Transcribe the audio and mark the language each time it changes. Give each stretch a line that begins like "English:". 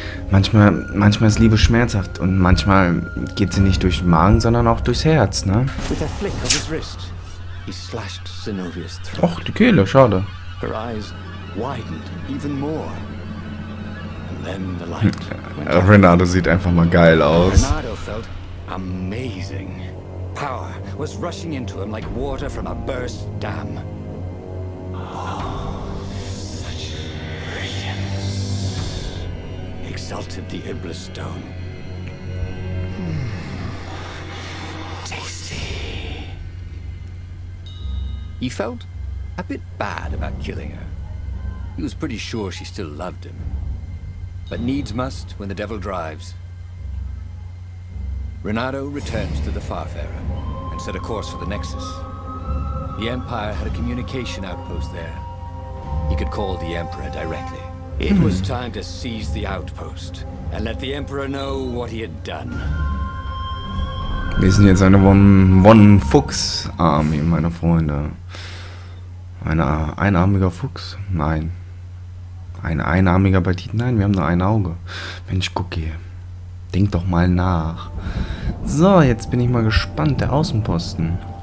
German: Manchmal ist Liebe schmerzhaft und manchmal geht sie nicht durch den Magen, sondern auch durchs Herz, ne?
English: With a flick of his wrist, he slashed Zenobia's throat.
German: Och, die Kehle, schade.
English: Her eyes widened even more. And then the light went out.
German: Renardo sieht einfach mal geil aus.
English: Renardo felt amazing. Power was rushing into him like water from a burst dam. Exalted the Iblis Stone. Tasty. He felt a bit bad about killing her. He was pretty sure she still loved him. But needs must when the devil drives. Renardo returned to the Farfarer and set a course for the Nexus. The Empire had a communication outpost there. He could call the Emperor directly. It was time to seize the outpost and let the Emperor know what he had done.
German: Wir sind jetzt eine One-Fuchs-Army, meine Freunde. Einarmiger Fuchs? Nein. Ein einarmiger Bandit? Nein, wir haben nur ein Auge. Mensch, guck hier. Denk doch mal nach. So, jetzt bin ich mal gespannt, der Außenposten.